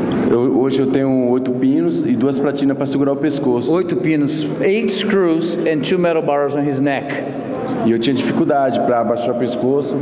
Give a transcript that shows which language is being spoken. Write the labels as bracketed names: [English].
[Portuguese] Hoje eu tenho 8 pinos e 2 platinas para segurar o pescoço. [English] 8 pinos, 8 screws and 2 metal bars on his neck. [Portuguese] E eu tinha dificuldade para abaixar o pescoço.